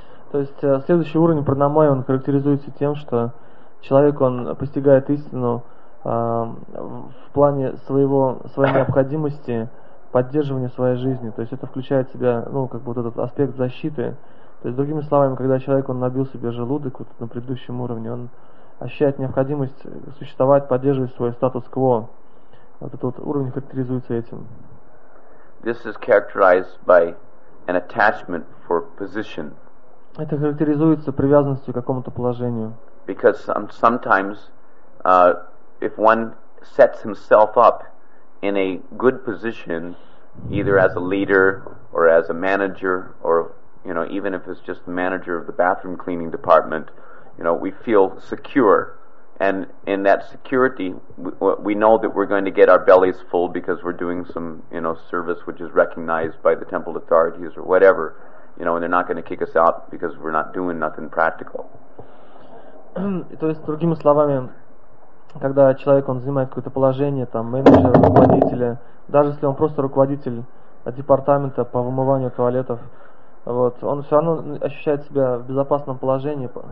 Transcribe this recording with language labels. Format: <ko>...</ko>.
<ru>То есть следующий уровень пранамайи, он характеризуется тем, что человек, он постигает истину в плане своего своей необходимости поддерживания своей жизни. То есть это включает в себя, ну, как бы вот этот аспект защиты. То есть, другими словами, когда человек он набил себе желудок вот на предыдущем уровне, он ощущает необходимость существовать, поддерживать свой статус-кво. Вот этот вот уровень характеризуется этим.</ru> <en>This is characterized by an attachment for position.</en> <ru>Это характеризуется привязанностью к какому-то положению.</ru> <en>Because sometimes if one sets himself up in a good position, either as a leader or as a manager, or you know, even if it's just the manager of the bathroom cleaning department, you know, we feel secure, and in that security, we know that we're going to get our bellies full because we're doing some, you know, service which is recognized by the temple authorities or whatever, you know, and they're not going to kick us out because we're not doing nothing practical.</en> <ru>То есть другими словами, когда человек он занимает какое-то положение, там менеджер, руководителя, даже если он просто руководитель департамента по вымыванию туалетов, вот, он все равно ощущает себя в безопасном положении.</ru>